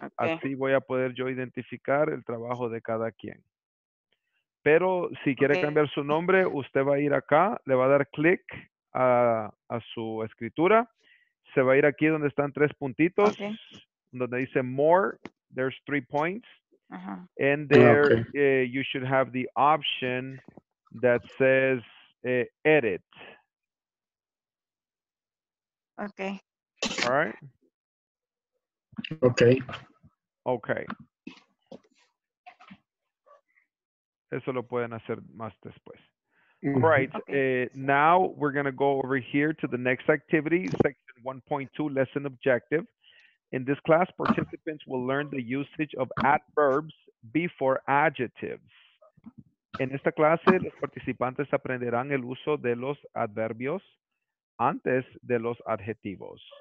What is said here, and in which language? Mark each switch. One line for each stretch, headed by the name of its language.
Spanish: Así voy a poder yo identificar el trabajo de cada quien. Pero si quiere okay cambiar su nombre, usted va a ir acá, le va a dar clic a su escritura. Se va a ir aquí donde están tres puntitos,
English: okay,
Spanish: donde dice
English: more, there's three points. Uh-huh. And there okay you should have the option that says edit. Okay. All right. Okay. Okay.
Spanish: Eso lo pueden hacer más después. Mm-hmm. Right. Okay.
English: Now we're going to go over here to the next activity, section 1.2, lesson objective. In this class, participants will learn the usage of adverbs before adjectives.
Spanish: En esta clase, los participantes aprenderán el uso de los adverbios antes de los adjetivos.